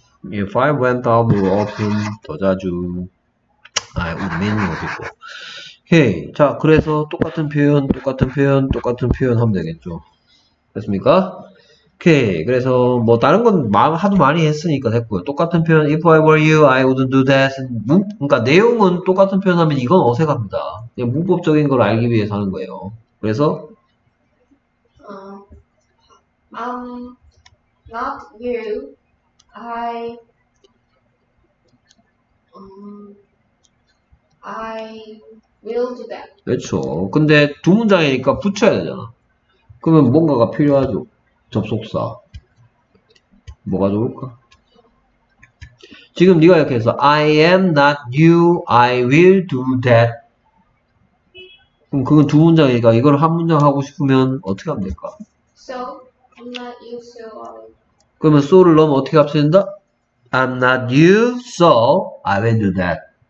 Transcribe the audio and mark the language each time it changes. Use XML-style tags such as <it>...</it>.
<en>If I went out more often</en> <ko>더 자주.</ko> <en>I would meet more people. Okay,</en> <ko>오케이. 자, 그래서 똑같은 표현, 똑같은 표현, 똑같은 표현 하면 되겠죠. 됐습니까? 오케이. 그래서 뭐 다른 건 하도 많이 했으니까 됐고요. 똑같은 표현,</ko> <en>if I were you, I wouldn't do that.</en> <ko>그러니까 내용은 똑같은 표현 하면 이건 어색합니다. 그냥 문법적인 걸 알기 위해서 하는 거예요. 그래서</ko> <en>Not you. I will do that.</en> <ko>그렇죠. 근데 두 문장이니까 붙여야 되잖아. 그러면 뭔가가 필요하죠. 접속사. 뭐가 좋을까? 지금 네가 이렇게 해서</ko> <en>I am not you. I will do that.</en> <ko>그럼 그건 두 문장이니까 이걸 한 문장 하고 싶으면 어떻게 하면 될까?</ko> <en>So, I'm not you, so.</en> <ko>그러면 so를 넣으면 어떻게 합친다?</ko> <en>I'm not you, so I will do that.</en>